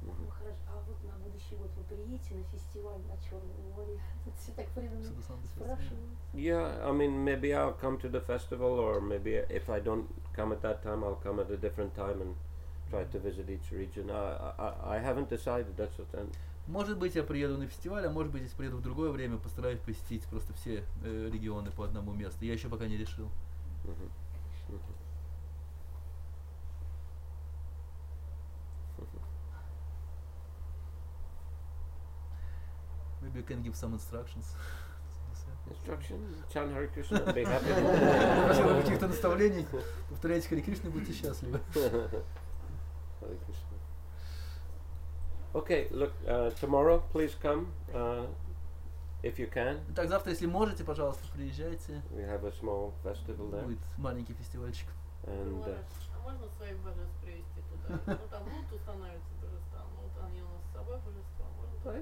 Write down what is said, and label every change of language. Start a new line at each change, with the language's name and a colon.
Russian: Хорошо. А вот на будущий год вы приедете на фестиваль на Черном море? Все так спрашивают.
English: Yeah, I mean, maybe I'll come to the festival, or maybe if I don't come at that time, I'll come at a different time and try to visit each region. I haven't decided. That's what I'm.
Russian: Может быть, я приеду на фестиваль, а может быть, если приеду в другое время, постараюсь посетить просто все регионы по одному месту. Я еще пока не решил.
English: Maybe you can give some instructions. Instructions? Chant Hare Krishna and be happy.
Russian: Если вы каких-то наставлений, повторяйте Hare Krishna, будьте счастливы. Hare Krishna.
English: Okay, look, tomorrow please come, if you can.
Russian: Так, завтра, если можете, пожалуйста, приезжайте.
English: We have a small festival there.
Russian: Будет маленький фестивальчик.
English: And,
Russian: а можно своих божеств привезти туда? Ну, там лут устанавливается тоже там. Вот они у нас с собой божества, можно?